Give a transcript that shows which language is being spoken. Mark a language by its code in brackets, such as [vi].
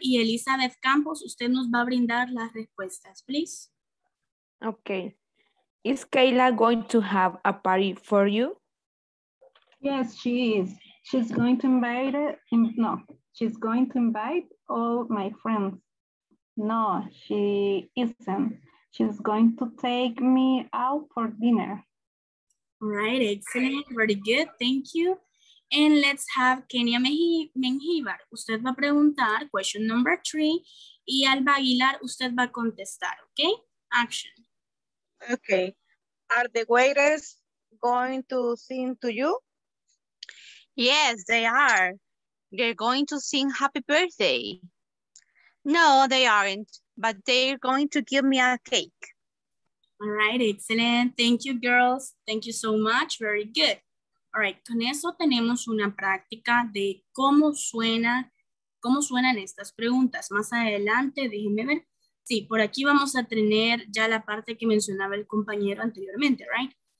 [es] Y Elizabeth Campos, usted nos va a brindar las respuestas, [en] please. Okay. Is Kayla going to have a party for you? Yes, she is. She's going to invite She's going to invite all my friends. No, she isn't. She's going to take me out for dinner. Right, excellent. Very good. Thank you. And let's have Kenia Menjivar. [es] Usted va a preguntar [en] question number three. [es] Y Alba Aguilar, usted va a contestar. [en] Okay? Action. Okay. Are the waiters going to sing to you? Yes, they are. They're going to sing happy birthday. No, they aren't, but they're going to give me a cake. All right, excellent. Thank you, girls. Thank you so much. Very good. [es] All right, con eso tenemos una práctica de cómo suenan estas preguntas. Más adelante, déjenme ver. Sí, por aquí vamos a tener ya la parte que mencionaba el compañero anteriormente, right?